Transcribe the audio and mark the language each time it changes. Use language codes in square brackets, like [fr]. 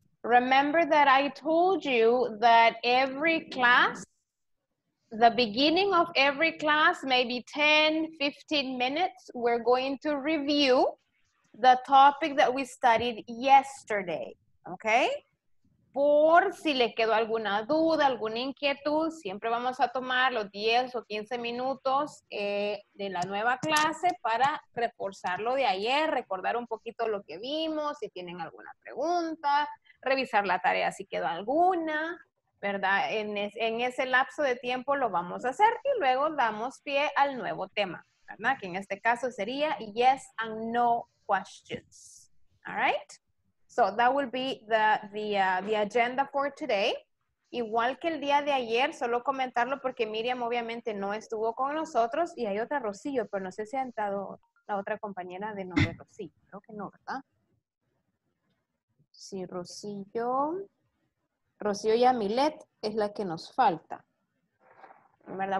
[en] Remember that I told you that every class, the beginning of every class, maybe 10, 15 minutes, we're going to review the topic that we studied yesterday. Okay. [es] Por si le quedó alguna duda, alguna inquietud, siempre vamos a tomar los 10 o 15 minutos de la nueva clase para reforzar lo de ayer, recordar un poquito lo que vimos, si tienen alguna pregunta, revisar la tarea si quedó alguna, ¿verdad? En ese lapso de tiempo lo vamos a hacer y luego damos pie al nuevo tema, ¿verdad? Que en este caso sería yes and no questions. [en] All right? So that will be the agenda for today. [es] Igual que el día de ayer, solo comentarlo porque Miriam obviamente no estuvo con nosotros y hay otra Rocío, pero no sé si ha entrado la otra compañera de nombre Rocío. Creo que no, ¿verdad? Sí, Rocío. Rocío y Amilet es la que nos falta. ¿Verdad?